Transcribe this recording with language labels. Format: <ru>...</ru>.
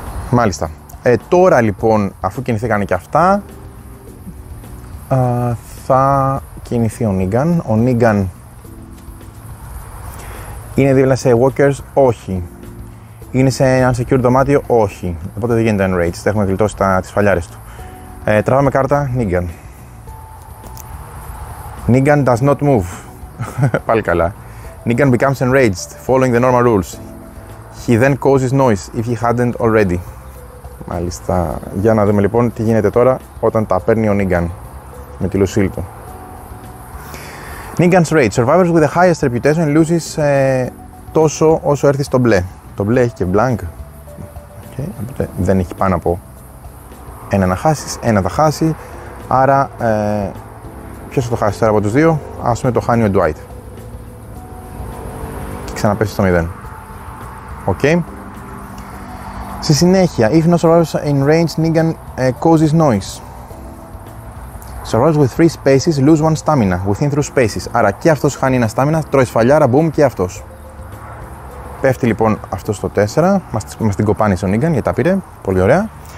<el>Μάλιστα. Τώρα λοιπόν, αφού κινηθήκανε και αυτά, θα κινηθεί ο Νίγκαν. Ο Νίγκαν είναι δίπλα σε walkers, όχι. Είναι σε ένα secure δωμάτιο, όχι. Οπότε δεν γίνεται enrage, δεν έχουμε γλιτώσει τις φαλιάρες του. Τραβάμε κάρτα, Νίγκαν.</el> <en>Νίγκαν does not move.</en> <el>Πάλι καλά.</el> <en>Νίγκαν becomes enraged, following the normal rules. He then causes noise, if he hadn't already.</en> <el>Μάλιστα, για να δούμε λοιπόν τι γίνεται τώρα όταν τα παίρνει ο Νίγκαν με τη Λουσίλ του.</el> <en>Νίγκαν's rage. Survivors with the highest reputation loses</en> <el>τόσο όσο έρθει στο μπλε. Το μπλε έχει και blank. Okay. Οπότε δεν έχει πάνω από ένα να χάσεις, ένα θα χάσει. Άρα, ποιος θα το χάσει τώρα από τους δύο, ας πούμε το χάνει ο Dwight. Και ξαναπέσει στο 0. Okay. Στη συνέχεια,</el> <en>if no survivors in range, Negan causes noise. Survivors with three spaces lose one stamina within three spaces.</en> <el>Άρα και αυτός χάνει ένα stamina, τρώει σφαλιάρα, boom, και αυτός. Πέφτει λοιπόν αυτός στο 4, μας την κοπάνει στον Negan, γιατί τα πήρε, πολύ ωραία.</el>